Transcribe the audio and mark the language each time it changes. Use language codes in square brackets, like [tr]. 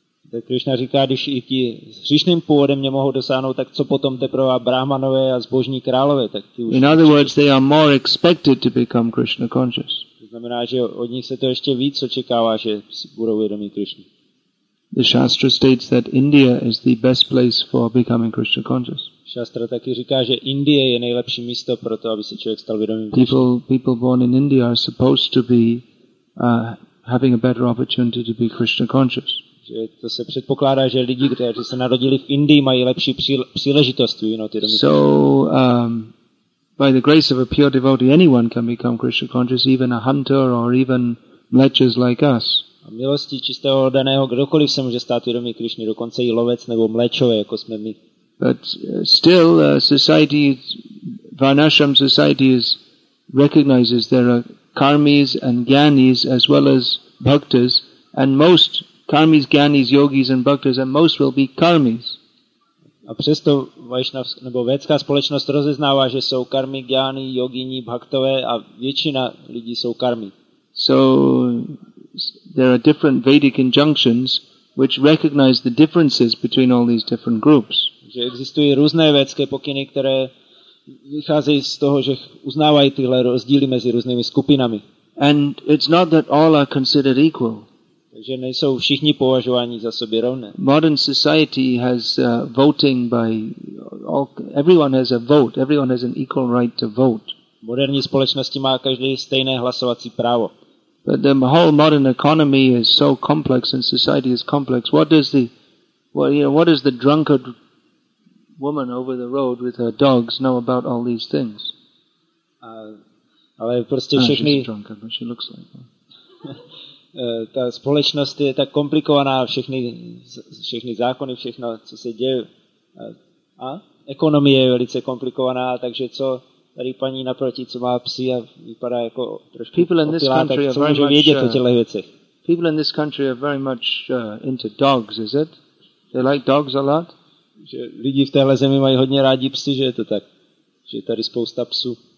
[cs] Tak Krishna říká, když i ti s hříšným původem mě mohou dosáhnout, tak co potom teprve brahmanové a zbožní králové, tak ti už... [en] In other words, they are more expected to become Krishna conscious. [cs] To znamená, že od nich se to ještě víc očekává, že budou vědomí Krishna. [en] The Shastra states that India is the best place for becoming Krishna conscious. [cs] Shastra taky říká, že Indie je nejlepší místo pro to, aby se člověk stal vědomým Krishna. [en] People born in India are supposed to be having a better opportunity to be Krishna conscious. [cs] Že to se předpokládá, že lidi, kteří se narodili v Indii, mají lepší příležitost vědomí Krishna. [en] So, by the grace of a pure devotee, anyone can become Krishna conscious, even a hunter or even mlečas like us. [cs] A milosti čistého daného, kdokoliv se může stát vědomí Krishna, dokonce i lovec nebo mlečové, jako jsme my. [en] But still, society, Varnashram society, recognizes there are karmis and gyanis as well as bhaktas, and most karmis, gyanis, yogis and bhaktas, and most will be karmis. [cs] A přesto Vaishnavská nebo védská společnost rozeznává, že jsou karmi, gyani, yogini, bhaktové, a většina lidí jsou karmi. [en] So there are different Vedic injunctions which recognize the differences between all these different groups. [cs] Že existují různé védské pokyny, které vycházejí z toho, že uznávají tyhle rozdíly mezi různými skupinami. [en] And it's not that all are considered equal. [cs] Takže nejsou všichni považováni za sobě rovné. [en] Modern society has voting by all, everyone has a vote, everyone has an equal right to vote. [cs] V moderní společnosti má každý stejné hlasovací právo. [en] But the whole modern economy is so complex and society is complex. What does the drunkard woman over the road with her dogs know about all these things? [cs] Ale prostě všechny... [en] She's a drunkard, but she looks like one. [cs] Ta společnost je tak komplikovaná, všechny zákony, všechno, co se děje. A ekonomie je velice komplikovaná, takže co tady paní naproti, co má psi a vypadá jako trošku opilá, tak co může vědět o těchto věcech? [en] People in this country are very much into dogs, is it? They like dogs a lot? [cs] že lidi v téhle zemi mají hodně rádi psy, že je to tak, že je tady spousta psů.